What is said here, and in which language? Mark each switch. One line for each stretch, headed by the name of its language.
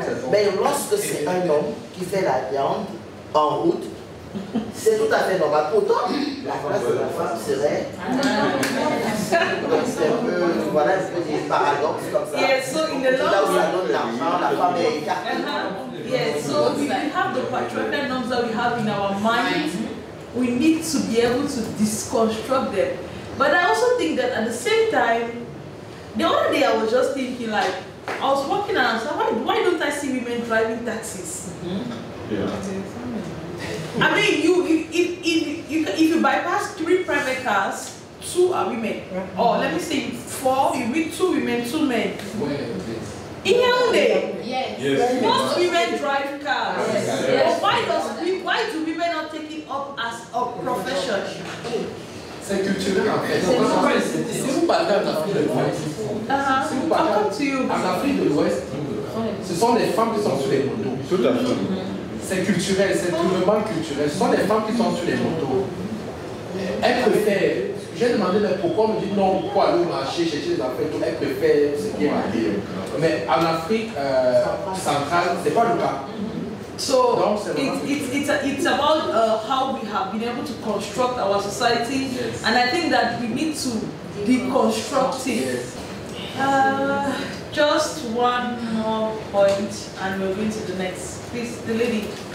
French: Mais lorsque c'est un homme qui fait la viande en route, c'est tout à fait normal. Pourtant, la place de la femme serait. Donc c'est un peu. Voilà, c'est un peu des paradoxes comme ça. Là où ça donne l'argent, la femme est écartée.
English: Yes, so if we have the patriarchal norms that we have in our mind, we need to be able to deconstruct them. But I also think that at the same time, the other day I was just thinking, like, I was walking and I was like, why don't I see women driving taxis? Mm-hmm. Yeah. I mean, if you bypass 3 private cars, 2 are women. Mm-hmm. Or let me say 4, you meet 2 women, 2 men. Mm-hmm. In Yaoundé, yes. Most women drive cars. Yes. But why do women not take it up as a profession?
French: C'est culturel en fait. C'est parce que si vous parlez en Afrique de l'Ouest, si vous parlez en Afrique de l'Ouest, ce sont les femmes qui sont sur les motos. Tout à fait. C'est culturel, c'est purement culturel. Ce sont les femmes qui sont sur les motos. Elles préfèrent. J'ai demandé mais pourquoi on me dit non, pourquoi aller au marché, chercher des affaires, tout, elle préfère ce qui est marié. Mais en Afrique centrale, ce n'est pas le cas.
English: So it's about how we have been able to construct our society. Yes. And I think that we need to deconstruct it. Yes. Just one more point and we're going to the next. Please, the lady.